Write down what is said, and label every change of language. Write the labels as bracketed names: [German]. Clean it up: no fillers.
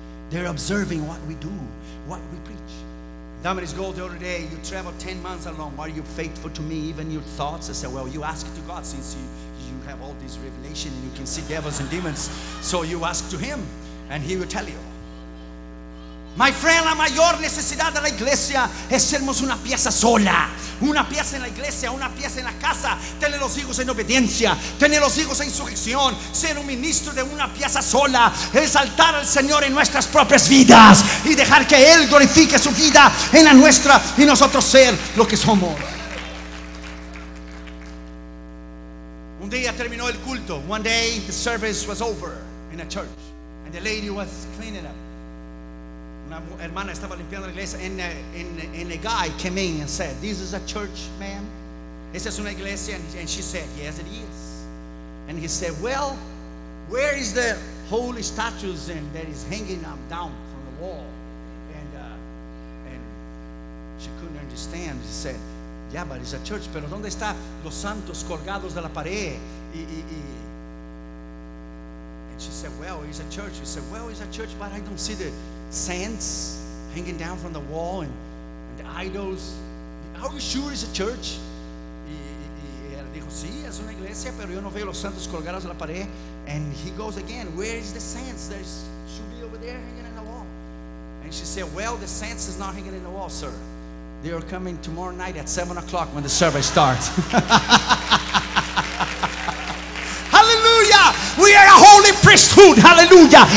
[English] They're observing what we do, what we preach. Damaris Gold, the other day, you travel 10 months alone. Are you faithful to me? Even your thoughts. I said, well, you ask to God since you have all this revelation and you can see devils and demons. So you ask to him and he will tell you. My friend, [Spanish] la mayor necesidad de la iglesia es sermos una pieza sola. Una pieza en la iglesia, una pieza en la casa. Tener los hijos en obediencia. Tener los hijos en sujeción. Ser un ministro de una pieza sola. Exaltar al Señor en nuestras propias vidas. Y dejar que Él glorifique su vida en la nuestra. Y nosotros ser lo que somos. Un día terminó el culto. [English] One day the service was over in a church. And the lady was cleaning up. [Spanish] Una hermana estaba limpiando la iglesia [English] and a guy came in and said, this is a church, ma'am. [Spanish] Esta es una iglesia. [English] And she said, yes, it is. And he said, well, where is the holy statues in that is hanging up down from the wall? And she couldn't understand. She said, yeah, but it's a church. [Spanish] Pero ¿dónde está los santos colgados de la pared? [English] And she said, well, it's a church. She said, well, it's a church, but I don't see the saints hanging down from the wall and the idols. Are you sure it's a church? [Spanish] Y dijo, sí, es una iglesia, pero yo no veo los santos colgados en la pared. [English] And he goes again, where is the saints? There should be over there hanging in the wall. And she said, well, the saints is not hanging in the wall, sir. They are coming tomorrow night at 7 o'clock when the service starts. We are a holy priesthood, hallelujah.